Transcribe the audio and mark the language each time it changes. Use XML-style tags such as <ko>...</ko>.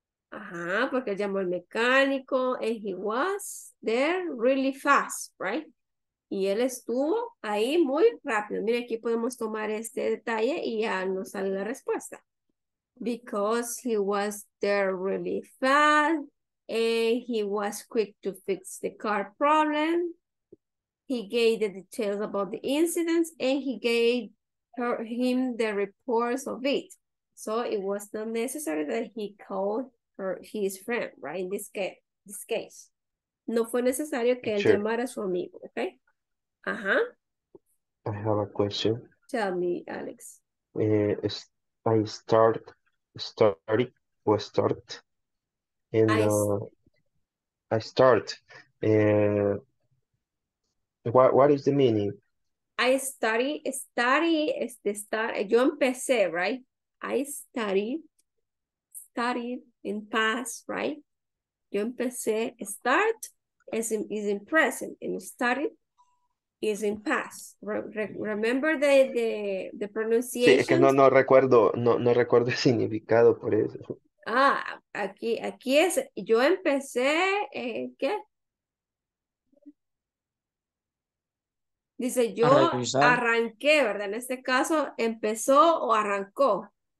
<es>Porque llamó al mecánico</es> <en>and he was there really fast, right?</en> <es>Y él estuvo ahí muy rápido. Mira, aquí podemos tomar este detalle y ya nos sale la respuesta.</es> <en>Because he was there really fast and he was quick to fix the car problem. He gave the details about the incidents and he gave him the reports of it. So it was not necessary that he called his friend, right? In this case.</en> <es>No fue necesario que él llamara a su amigo, okay?</es> <en>I have a question. Tell me, Alex. What is the meaning?</en> <es>Yo empecé, right?</es> <en>I studied in past, right?</en> <es>Yo empecé,</es> <en>start is in present, and studied is in past. Remember the pronunciation.</en> <es>Sí, es que no recuerdo el significado por eso. Ah, aquí es yo empecé ¿qué? Dice yo arranqué, ¿verdad? En este caso empezó o arrancó.</es>